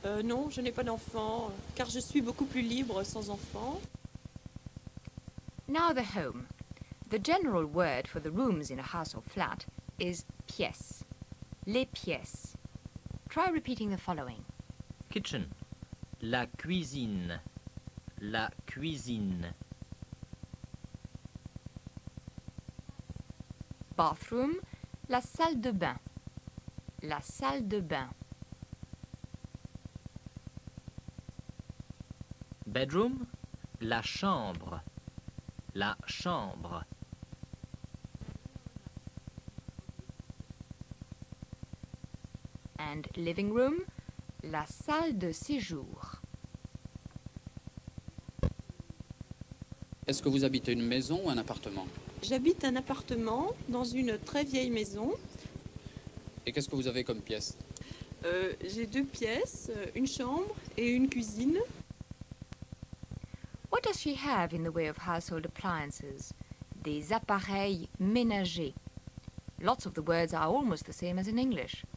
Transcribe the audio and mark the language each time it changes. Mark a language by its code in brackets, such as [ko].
[fr] Non, je n'ai pas d'enfants, car je suis beaucoup plus libre sans enfants. [en] Now the home. The general word for the rooms in a house or flat is pièce. [fr] Les pièces. [en] Try repeating the following. [fr] Kitchen. La cuisine. La cuisine. Bathroom. La salle de bain. La salle de bain. Bedroom. La chambre. La chambre. [en] And living room, [fr] la salle de séjour. Est-ce que vous habitez une maison ou un appartement? J'habite un appartement dans une très vieille maison. Et qu'est-ce que vous avez comme pièce? J'ai deux pièces, une chambre et une cuisine. [en] What does she have in the way of household appliances? [fr] des appareils ménagers. [en] Lots of the words are almost the same as in English.